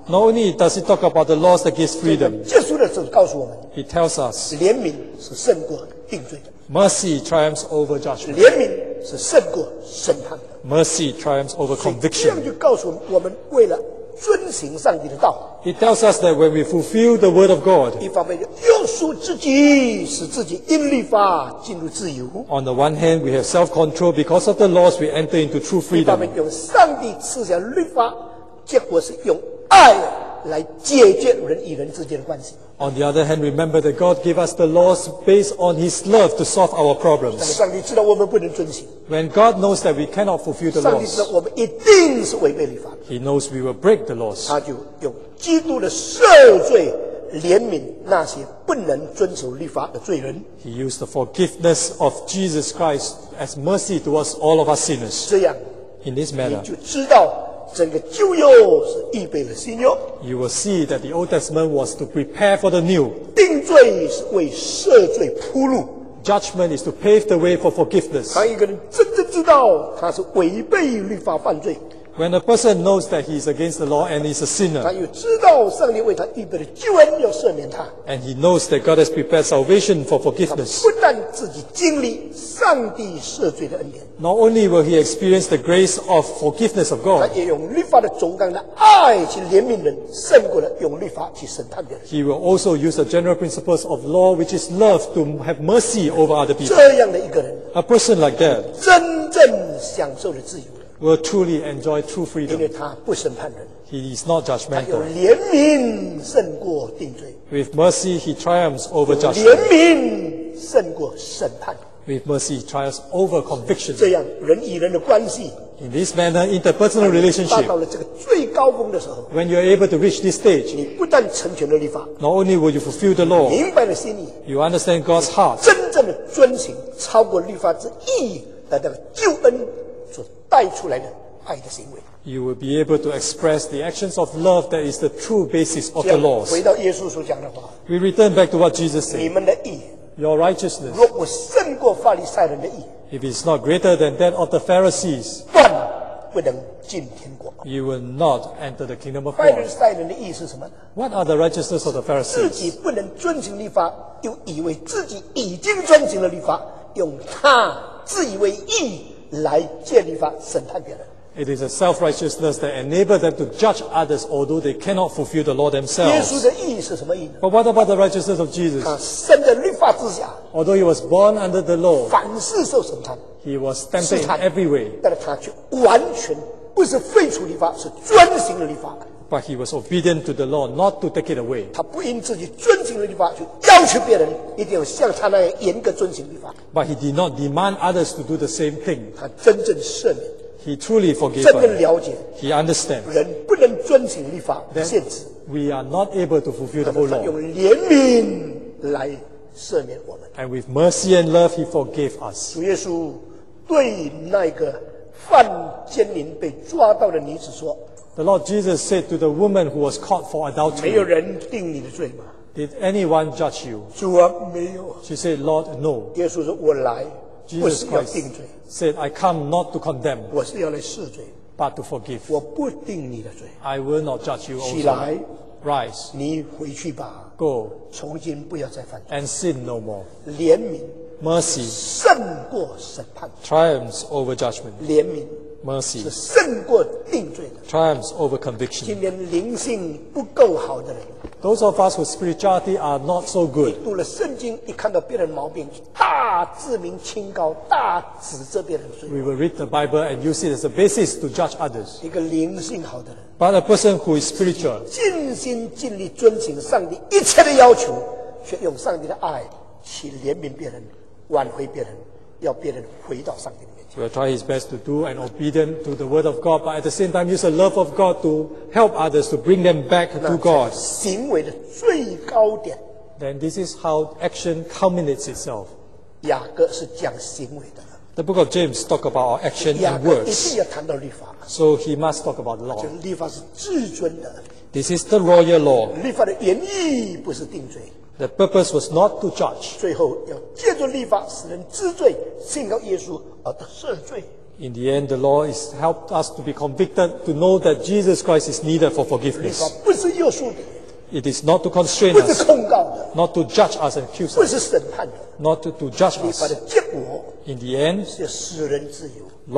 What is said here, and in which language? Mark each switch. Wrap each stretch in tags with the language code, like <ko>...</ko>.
<en>not only does it talk about the laws that gives freedom.</en> <zh>结束的时候告诉我们。</zh> <en>He tells us,</en> <zh>怜悯是胜过定罪的。</zh> <en>Mercy triumphs over judgment.</en> <zh>怜悯是胜过审判的。</zh> <en>Mercy triumphs over conviction.</en> <zh>所以这样就告诉我们，我们为了遵行上帝的道。</zh> <en>He tells us that when we fulfill the word of God,</en> <zh>一方面约束自己，使自己因律法进入自由。</zh> <en>On the one hand, we have self-control because of the laws, we enter into true freedom.</en> <zh>一方面用上帝赐下律法，结果是用爱来解决人与人之间的关系。</zh> <en>On the other hand, remember that God gave us the laws based on His love to solve our problems.</en> <zh>上帝知道我们不能遵行。</zh> <en>When God knows that we cannot fulfill the laws,</en> <zh>上帝知道我们一定是违背律法。</zh> <en>He knows we will break the laws.</en> <zh>他就用基督的赦罪怜悯那些不能遵守律法的罪人。</zh> <en>He used the forgiveness of Jesus Christ as mercy towards all of our sinners.</en> <zh>这样，</zh> <en>in this manner,</en> <zh>你就知道。整个旧约是预备了新约。</zh> <en>You will see that the Old Testament was to prepare for the new.</en> <zh>定罪是为赦罪铺路。</zh> <en>Judgment is to pave the way for forgiveness.</en> <zh>当一个人真正知道他是违背律法犯罪。</zh> <en>When a person knows that he is against the law and is a sinner.</en> <zh>他又知道上帝为他预备的救恩要赦免他。</zh> <en>And he knows that God has prepared salvation for forgiveness.</en> <zh>他不但自己经历上帝赦罪的恩典。</zh> <en>Not only will he experience the grace of forgiveness of God.</en> <zh>他也用律法的总纲的爱去怜悯人，胜过了用律法去审判别人。</zh> <en>He will also use the general principles of law, which is love, to have mercy over other people.</en> <zh>这样的一个人。</zh> <en>A person like that.</en> <zh>真享受了自由的。</zh> <en>Will truly enjoy true freedom.</en> <zh>因为他不审判人。</zh> <en>He is not judgmental.</en> <zh>他有怜悯胜过定罪。</zh> <en>With mercy, he triumphs over judgment.</en> <zh>怜悯胜过审判。</zh> <en>With mercy, he triumphs over conviction.</en> <zh>这样，人与人的关系。</zh> <en>In this manner, interpersonal relationship,</en> <zh>达到了这个最高峰的时候,</zh> <en>when you are able to reach this stage,</en> <zh>你不但成全了律法,</zh> <en>not only will you fulfill the law,</en> <zh>明白了心意,</zh> <en>you understand God's heart,</en> <zh>真正的遵行超过律法之意义的那个救恩所带出来的爱的行为。</zh> <en>You will be able to express the actions of love that is the true basis of the laws.</en> <zh>回到耶稣所讲的话,</zh> <en>we return back to what Jesus said.</en> <zh>你们的义,</zh> <en>your righteousness,</en> <zh>若不胜过法利赛人的义,</zh> <en>if it's not greater than that of the Pharisees,</en> <zh>不能进天国。</zh> <en>You will not enter the kingdom of God.</en> <zh>法利赛人的意思是什么？</zh> <en>What are the righteousness of the Pharisees?</en> <zh>自己不能遵行律法，又以为自己已经遵行了律法，用他自以为义来借律法审判别人。</zh> <en>It is a self-righteousness that enables them to judge others, although they cannot fulfill the law themselves.</en> <zh>耶稣的义是什么义呢？</zh> <en>But what about the righteousness of Jesus?</en> <zh>他生在律法之下。</zh> <en>Although he was born under the law.</en> <zh>凡事受审判。</zh> <en>He was tempted in every way.</en> <zh>但是他却完全不是废除律法，是遵行了律法。</zh> <en>But he was obedient to the law, not to take it away.</en> <zh>他不因自己遵行了律法，就要求别人一定要像他那样严格遵行律法。</zh> <en>But he did not demand others to do the same thing.</en> <zh>他真正赦免。</zh> <en>He truly forgave.</en> <zh>真正了解。</zh> <en>He understands.</en> <zh>人不能遵行律法的限制。</zh> <en>We are not able to fulfill the whole law.</en> <zh>他用怜悯来赦免我们。</zh> <en>And with mercy and love, he forgave us.</en> <zh>主耶稣对那个犯奸淫被抓到的女子说</zh> <en>，The Lord Jesus said to the woman who was caught for adultery，</en> <zh>没有人定你的罪吗</zh> <en>？Did anyone judge you？</en> <zh>主啊，没有。</zh> <en>She said, Lord, no。</en> <zh>耶稣说，我来不是要定罪。</zh> <en>Said, I come not to condemn。</en> <zh>我是要来赦罪</zh> <en>，but to forgive。</en> <zh>我不定你的罪。</zh> <en>I will not judge you。</en> <zh>起来</zh> <en>，Rise。</en> <zh>你回去吧</zh> <en>，Go。</en> <zh>从今不要再犯罪</zh> <en>，and sin no more。</en> <zh>怜悯。</zh> <en>Mercy</en> <zh>胜过审判</zh> <en>triumphs over judgment</en> <zh>怜悯</zh> <en>mercy</en> <zh>是胜过定罪的</zh> <en>triumphs over conviction</en> <zh>今天灵性不够好的人</zh> <en>those of us whose spirituality are not so good</en> <zh>你读了圣经你看到别人毛病大自明清高大指责别人罪</zh> <en>we will read the Bible and use it as a basis to judge others</en> <zh>一个灵性好的人</zh> <en>but a person who is spiritual</en> <zh>尽心尽力遵行上帝一切的要求却用上帝的爱去怜悯别人挽回别人要别人回到上帝的面前</zh> <en>We'll try his best to do and obedient to the word of God but at the same time use the love of God to help others to bring them back to God</en> <zh>行为的最高点</zh> <en>Then this is how action culminates itself</en> <zh>雅各是讲行为的</zh> <en>The book of James talk about our action and words</en> <zh>雅各一定要谈到律法</zh> <en>So he must talk about law</en> <zh>就律法是至尊的</zh> <en>This is the royal law</en> <zh>律法的原意不是定罪</zh> <en>The purpose was not to judge.</en> <zh>最后要借助律法使人知罪，信靠耶稣而得赦罪。</zh> <en>In the end, the law is helped us to be convicted to know that Jesus Christ is needed for forgiveness.</en> <zh>律法不是约束的。</zh> <en>It is not to constrain us.</en> <zh>不是控告的。</zh> <en>Not to judge us and accuse us.</en> <zh>不是审判的。</zh> <en>Not to judge us.</en> <zh>律法的结果。</zh> <en>In the end,</en> <zh>是要使人自由。</zh>